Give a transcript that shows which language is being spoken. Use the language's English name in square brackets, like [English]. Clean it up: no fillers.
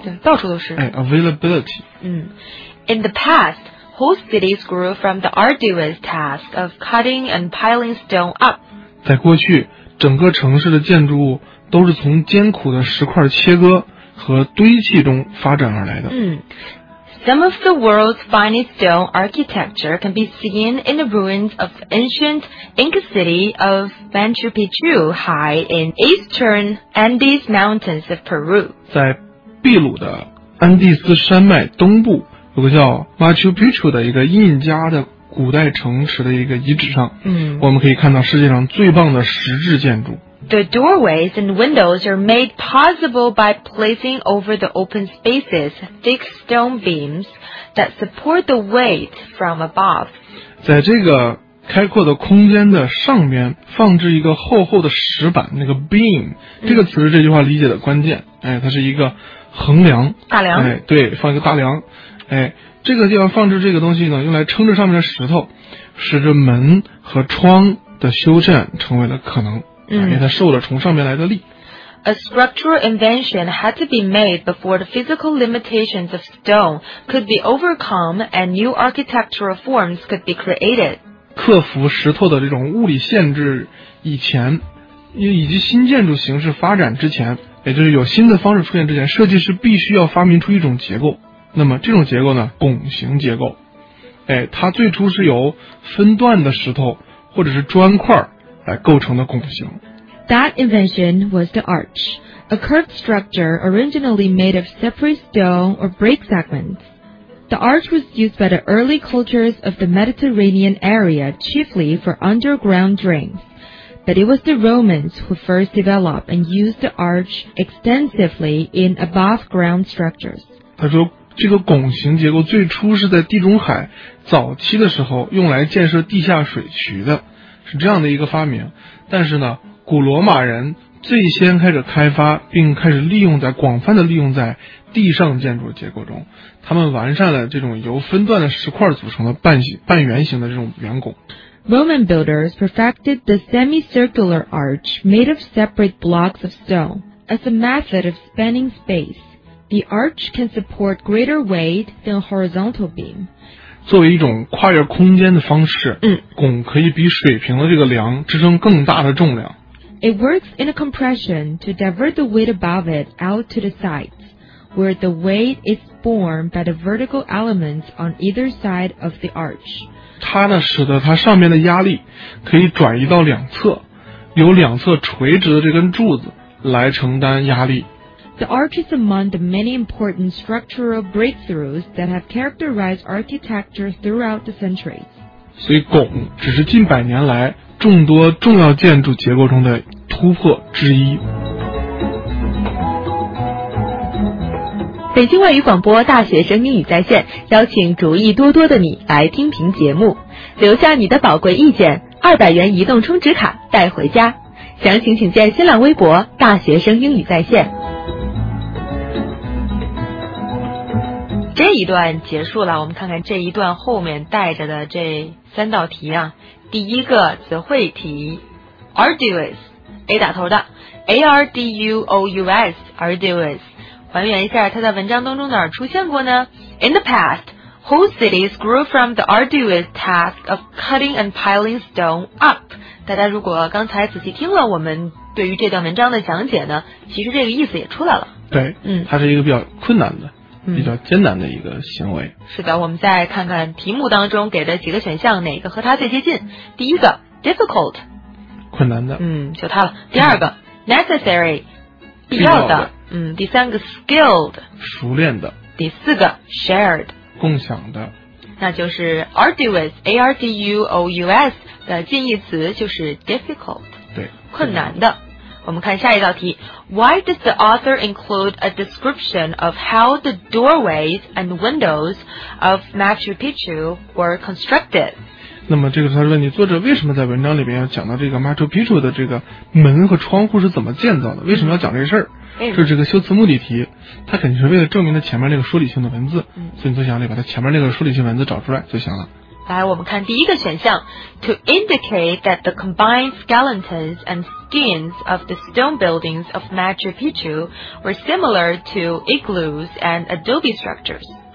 [Chinese] 对，到处都是。 [English] Availability. 嗯 ，In the past. Whole cities grew from the arduous task of cutting and piling stone up. [Chinese] 在过去，整个城市的建筑物都是从艰苦的石块切割和堆砌中发展而来的。 [English] 嗯 ，Some of the world's finest stone architecture can be seen in the ruins of the ancient Inca city of Machu Picchu, high in eastern Andes mountains of Peru. [Chinese] 在秘鲁的安第斯山脉东部。有个叫 Machu Picchu 的一个印加的古代城池的一个遗址上，嗯，我们可以看到世界上最棒的石质建筑。 [English] The doorways and windows are made possible by placing over the open spaces thick stone beams that support the weight from above. [Chinese] 在这个开阔的空间的上面放置一个厚厚的石板，那个 beam，嗯，这个词是这句话理解的关键。它是一个横梁，大梁。对，放一个大梁。这个地方放置这个东西呢，用来撑着上面的石头，使这门和窗的修缮成为了可能，嗯，因为它受了从上面来的力。 [English] A structural invention had to be made before the physical limitations of stone could be overcome and new architectural forms could be created. [Chinese] 克服石头的这种物理限制以前，以及新建筑形式发展之前，也就是有新的方式出现之前，设计师必须要发明出一种结构。那么这种结构呢，拱形结构，它最初是由分段的石头或者是砖块来构成的拱形。 [English] That invention was the arch, a curved structure originally made of separate stone or brick segments. The arch was used by the early cultures of the Mediterranean area chiefly for underground drains. But it was the Romans who first developed and used the arch extensively in above ground structures. [Chinese] 他说这个拱形结构最初是在地中海早期的时候用来建设地下水渠的，是这样的一个发明。但是呢，古罗马人最先开始开发并开始广泛的利用在地上建筑结构中，他们完善了这种由分段的石块组成的半圆形的这种圆拱。 [English] Roman builders perfected the semicircular arch made of separate blocks of stone as a method of spanning space. The arch can support greater weight than a horizontal beam. [Chinese] 作为一种跨越空间的方式，拱可以比水平的这个梁支撑更大的重量。 [English] It works in a compression to divert the weight above it out to the sides, where the weight is borne by the vertical elements on either side of the arch. [Chinese] 它呢使得它上面的压力可以转移到两侧，由两侧垂直的这根柱子来承担压力。 [English] The arch is among the many important structural breakthroughs that have characterized architecture throughout the centuries. [Chinese] 所以拱只是近百年来众多重要建筑结构中的突破之一。北京外语广播大学生英语在线邀请主意多多的你来听评节目，留下你的宝贵意见，200元移动充值卡带回家。详情请见新浪微博大学生英语在线。这一段结束了，我们看看这一段后面带着的这三道题啊。第一个词汇题 arduous， A 打头的 arduous， arduous， 还原一下它在文章当中哪儿出现过呢？ [English] In the past, whole cities grew from the arduous task of cutting and piling stone up。 [Chinese] 大家如果刚才仔细听了我们对于这段文章的讲解呢，其实这个意思也出来了。对，它是一个比较困难的比较艰难的一个行为。是的，我们再看看题目当中给的几个选项哪个和它最接近。第一个 difficult，困难的，就它了。第二个 necessary，必要的，第三个 skilled，熟练的。第四个 shared，共享的。那就是 arduous， arduous 的近义词就是 difficult，对，困难的。我们看下一道题。 [English] Why does the author include a description of how the doorways and windows of Machu Picchu were constructed? [Chinese] 那么这个他问你，作者为什么在文章里面要讲到这个 Machu Picchu 的这个门和窗户是怎么建造的，为什么要讲这事儿？这是这个修辞目的题，他肯定是为了证明了前面那个说理性的文字，所以你就想把他前面那个说理性文字找出来就行了。来，我们看第一个选项 [English] ，to indicate that the combined skeletons and skins of the stone buildings of Machu Picchu were similar to igloos and adobe structures。